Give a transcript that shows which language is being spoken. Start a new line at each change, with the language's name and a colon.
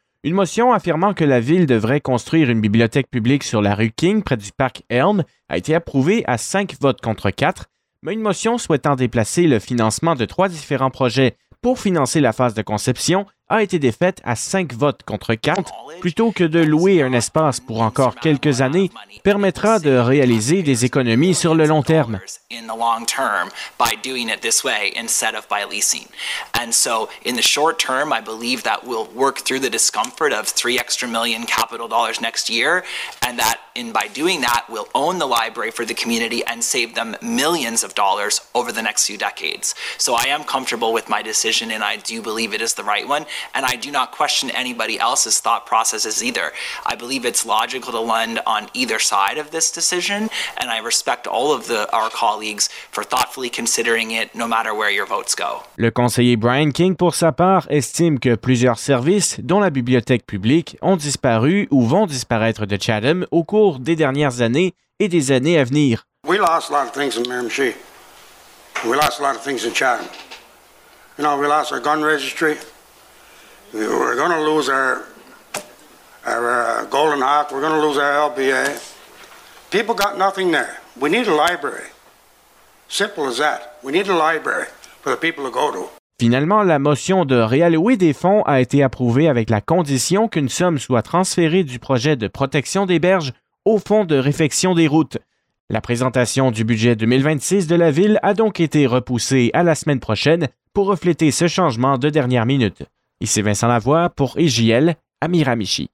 French: Une motion affirmant que la ville devrait construire une bibliothèque publique sur la rue King près du parc Elm a été approuvée à 5 votes contre 4, mais une motion souhaitant déplacer le financement de 3 différents projets pour financer la phase de conception a été défaite à 5 votes contre 4. Plutôt que de louer un espace pour encore quelques années, permettra de réaliser des économies sur le long terme.
English: In the long term by doing it this way instead of by leasing. And so in the short term, I believe that we'll work through the discomfort of 3 extra million capital dollars next year and that in by doing that we'll own the library for the community and save them millions of dollars over the next few decades. So I am comfortable with my decision and I do believe it is the right one. And I do not question anybody else's thought processes either. I believe it's logical to lend on either side of this decision, and I respect all of our colleagues for thoughtfully considering it, no matter where your votes go.
French: Le conseiller Brian King, pour sa part, estime que plusieurs services, dont la bibliothèque publique, ont disparu ou vont disparaître de Chatham au cours des dernières années et des années à venir.
English: We lost a lot of things in Miramichi. We lost a lot of things in Chatham. You know, we lost our gun registry. We're going to lose our Golden Hawk. We're going to lose our LBA. People got nothing there. We need a library. Simple as that. We need a library for the people to go to.
French: Finalement, la motion de réallouer des fonds a été approuvée avec la condition qu'une somme soit transférée du projet de protection des berges au fonds de réfection des routes. La présentation du budget 2026 de la ville a donc été repoussée à la semaine prochaine pour refléter ce changement de dernière minute. Ici Vincent Lavoie pour IJL à Miramichi.